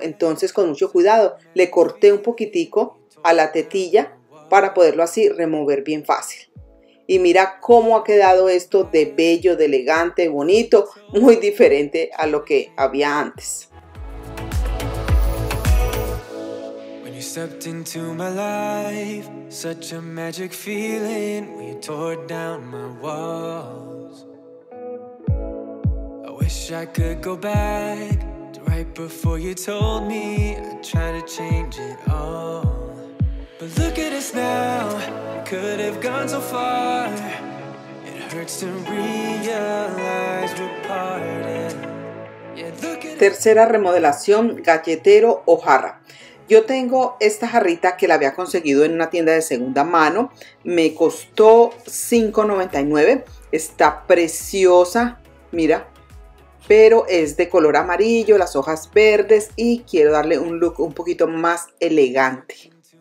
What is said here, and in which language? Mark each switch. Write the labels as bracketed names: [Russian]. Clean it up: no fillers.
[Spanish] Entonces, con mucho cuidado, le corté un poquitico a la tetilla para poderlo así remover bien fácil. Y mira cómo ha quedado esto de bello, de elegante, bonito, muy diferente a lo que había antes. [English] When you stepped into my life, such a magic feeling, when you tore down my walls. Wish I could go back to right before you told me I'd try to change it all. But look at us now, we could have gone so far. It hurts to realize we're parted. Yeah, look at. [Spanish] Tercera remodelación, galletero o jarra. Yo tengo esta jarrita que la había conseguido en una tienda de segunda mano. Me costó $5.99. Está preciosa, mira. Pero es de color amarillo, las hojas verdes y quiero darle un look un poquito más elegante.